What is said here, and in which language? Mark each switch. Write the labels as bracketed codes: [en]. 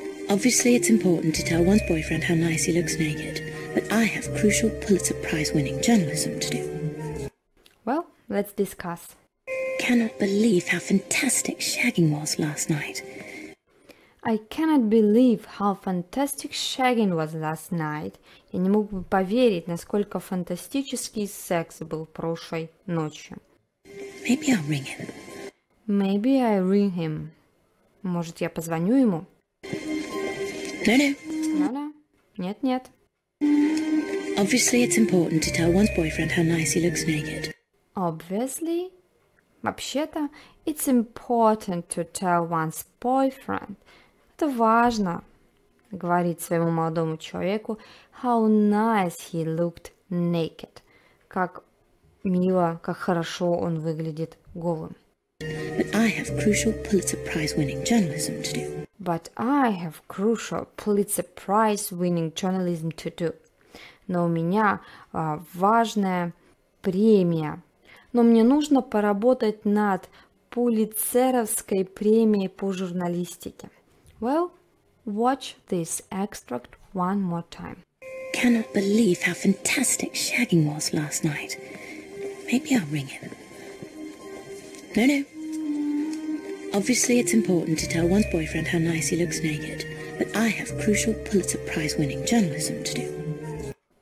[en] Obviously it's important to tell one's boyfriend how nice he looks naked, but I have crucial Pulitzer Prize-winning journalism to do. Well, let's discuss. Cannot believe how fantastic shagging was last night. I cannot believe how fantastic shagging was last night. [ru] Я не мог бы поверить, насколько фантастический секс был прошлой ночью. [en] Maybe I'll ring him. Maybe I ring him. [ru] Может, я позвоню ему? [en] No. [ru] Нет. [en] Obviously, it's important to tell one's boyfriend how nice he looks naked. Obviously. Вообще-то, it's important to tell one's boyfriend. [ru] Это важно говорить своему молодому человеку [en] how nice he looked naked. [ru] Как мило, как хорошо он выглядит голым. [en] But I have crucial Pulitzer Prize-winning journalism to do. But I have crucial Pulitzer Prize-winning journalism to do. [ru] Но у меня важная премия. Но мне нужно поработать над Пулитцеровской премией по журналистике. [en] Well, watch this extract one more time. Cannot believe how fantastic shagging was last night. Maybe I'll ring him. No. Obviously it's important to tell one's boyfriend how nice he looks naked, but I have crucial Pulitzer Prize-winning journalism to do.